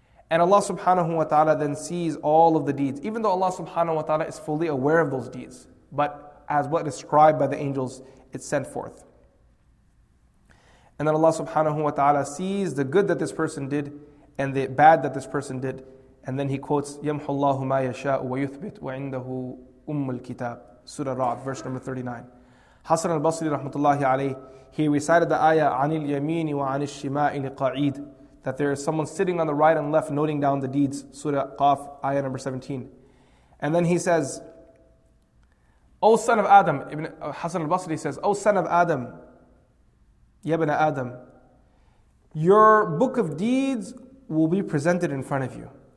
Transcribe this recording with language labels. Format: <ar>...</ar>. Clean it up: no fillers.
<en>And Allah subhanahu wa ta'ala then sees all of the deeds, even though Allah subhanahu wa ta'ala is fully aware of those deeds. But as what is described by the angels, it's sent forth. And then Allah subhanahu wa ta'ala sees the good that this person did and the bad that this person did. And then he quotes,</en> <ar>يَمْحُ اللَّهُ مَا يَشَاءُ وَيُثْبِتُ وَعِنْدَهُ أُمُّ الْكِتَابِ.</ar> <en>Surah Ra'd, verse number 39. Hasan al-Basri rahmatullahi alayhi, he recited the ayah,</en> <ar>عَنِ الْيَمِينِ وَعَنِ الشِّمَاءِ لِقَعِيدِ,</ar> <en>that there is someone sitting on the right and left noting down the deeds. Surah Qaf, ayah number 17. And then he says, O son of Adam, Ibn Hasan al-Basri says, O son of Adam, Yabna Adam, your book of deeds will be presented in front of you.</en>